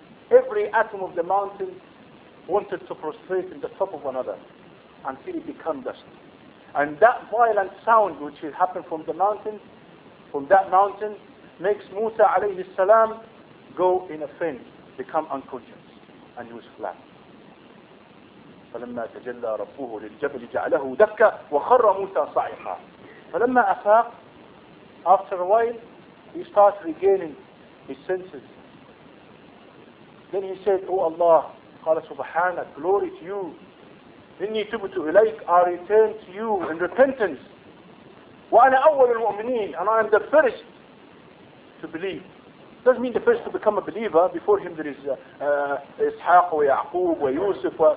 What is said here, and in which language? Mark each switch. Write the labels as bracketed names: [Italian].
[English] Every atom of the mountain wanted to prostrate in the top of another until it became dust. And that violent sound which had happened from the mountain, from that mountain, makes Musa alayhi salam go in a faint, become unconscious, and he was flat. [Arabic] فلما تجلى ربه للجبل جعله دكا وخر موسى صعقا فلما أفاق [English] after a while he starts regaining his senses. Then he said, O Allah, [Arabic] قال سبحانك, [English] glory to you. [Arabic] إني تبت إليك, [English] I return to you in repentance. [Arabic] وأنا أول المؤمنين, [English] and I am the first to believe. Doesn't mean the first to become a believer. Before him there is Ishaq, or Yaqub, or Yusuf.